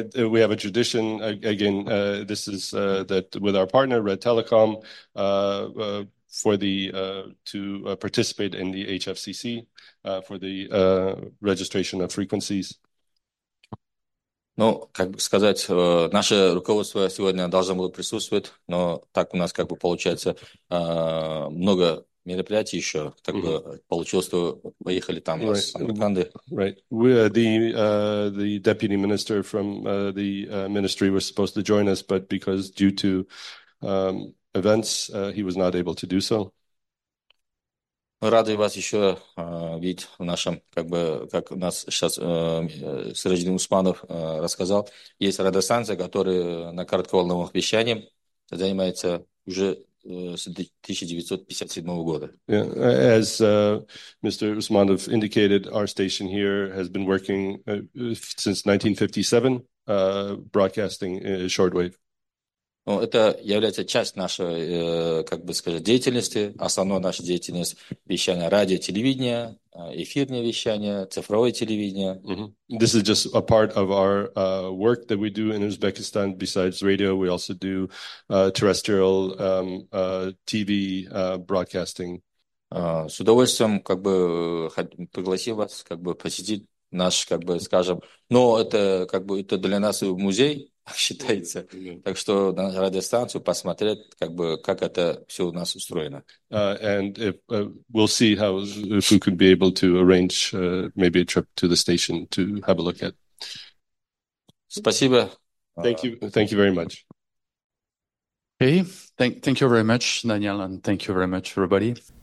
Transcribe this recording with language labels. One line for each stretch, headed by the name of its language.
English: We have a tradition again. This is that with our partner Ritelecom. For the to participate in the HFCC for the registration of frequencies.
Russian: Ну, как бы сказать, наше руководство сегодня должно было присутствовать, но так у нас как бы получается много мероприятий еще, так бы получилось, что поехали там с Самарканды.
English: Right. The deputy minister from the ministry was supposed to join us, but because due to events, he was not able to do so.
Russian: Рады вас еще видеть в нашем, как бы, как нас сейчас Сиражиддин Усманов рассказал, есть радиостанция, которая на коротковолновом вещании занимается уже с 1957 года.
English: Yeah, as Mr. Usmanov indicated, our station here has been working since 1957, broadcasting shortwave.
Russian: Ну, это является часть нашей, как бы сказать, деятельности, основной нашей деятельности, вещание радио, телевидение, эфирное вещание, цифровое телевидение. Mm-hmm.
English: This is just a part of our work that we do in Uzbekistan. Besides radio, we also do terrestrial TV broadcasting.
Russian: С удовольствием, как бы, пригласил вас, как бы, посетить наш, как бы, скажем, но это, как бы, это для нас музей, считается. Так что на радиостанцию посмотреть, как бы, как это все у нас устроено.
English: And if, we'll see how, if we could be able to arrange maybe a trip to the station to have a look at.
Russian: Спасибо.
English: Thank you very much. Hey, thank you very much, Daniel, and thank you very much, everybody.